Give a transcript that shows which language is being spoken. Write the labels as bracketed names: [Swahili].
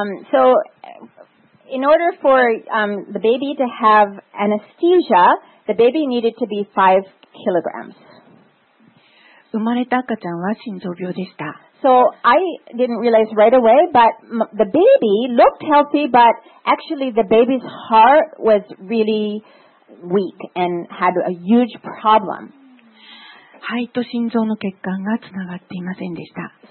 [English] So, in order for the baby to have anesthesia, the baby needed to be 5 kilograms. [Japanese] 生まれた赤ちゃんは心臓病でした。 [English] So I didn't realize right away, but the baby looked healthy, but actually the baby's heart was really weak and had a huge problem. [Japanese] 肺と心臓の血管がつながっていませんでした。